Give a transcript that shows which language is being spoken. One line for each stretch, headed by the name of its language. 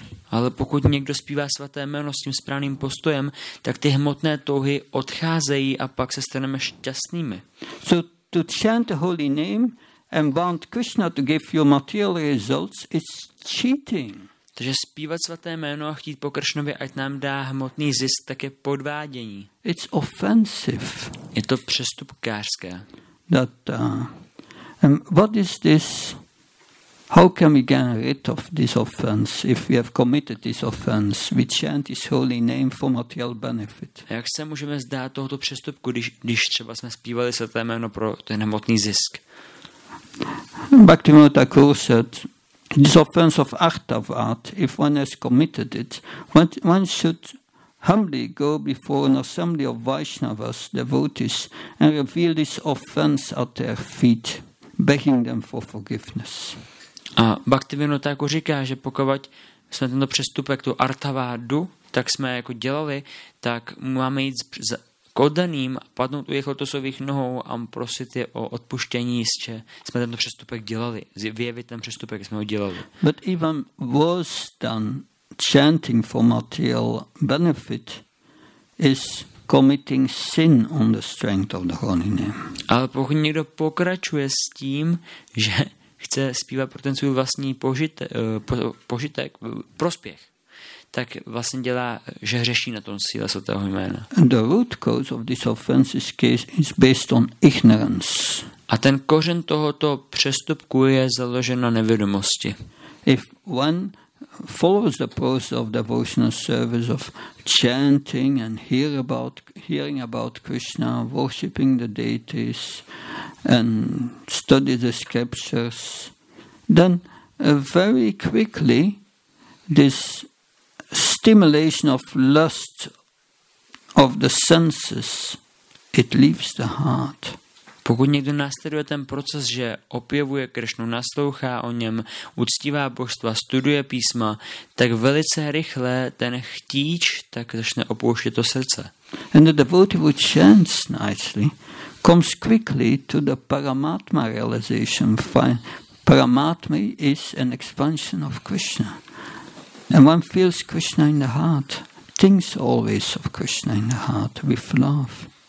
Czech: Ale pokud někdo zpívá svaté jméno s tím správným postojem, tak ty hmotné touhy odcházejí a pak se staneme šťastnými.
English: So to chant the holy name and want Krishna to give you material results is cheating.
Czech: Takže zpívat svaté jméno a chtít po Kršnovi, ať nám dá hmotný zisk, tak je podvádění.
English: It's offensive.
Czech: Je to přestupkářské.
English: That, what is this? How can we get rid of this offense if we have committed this offense? We chant His holy name for material benefit.
Czech: Jak se můžeme zdát tohoto přestupku, když třeba jsme zpívali svaté jméno pro ten hmotný zisk?
English: Bhaktivinoda Thakur said, this offense of Achtavat, if one has committed it, one should humbly go before an assembly of Vaishnavas, devotees, and reveal this offense at their feet, begging them for forgiveness.
Czech: A Bhaktivinoda Thakur říká, že pokud jsme tento přestupek, tu Achtavadu, tak jsme jako dělali, tak máme jít k oddaným, padnout u jejich lotosových nohou a prosit je o odpuštění, jestli jsme tento přestupek dělali, vyjevit ten přestupek, jak jsme ho dělali.
English: But even worse than chanting for material benefit is committing sin on the strength of the holy name.
Czech: Ale pokud někdo pokračuje s tím, že chce zpívat pro ten svůj vlastní požitek, prospěch, tak vlastně dělá, že hřeší na tom síle svatého jména.
English: The root cause of this offense is based on ignorance.
Czech: A ten kořen tohoto přestupku je založen na nevědomosti.
English: If one follows the process of devotional service of chanting and hearing about Krishna, worshipping the deities and study the scriptures, then very quickly this stimulation of lust of the senses, it leaves the heart.
Czech: Pokud někdo následuje ten proces, že opěvuje Krishnu, naslouchá o něm, uctívá božstva, studuje písma, tak velice rychle ten chtíč tak začne opouštět to srdce.
English: And the devotee who chants nicely comes quickly to the paramatma realization. Paramatma is an expansion of Krishna. And one feels Krishna in the heart, thinks always of Krishna in the heart with love.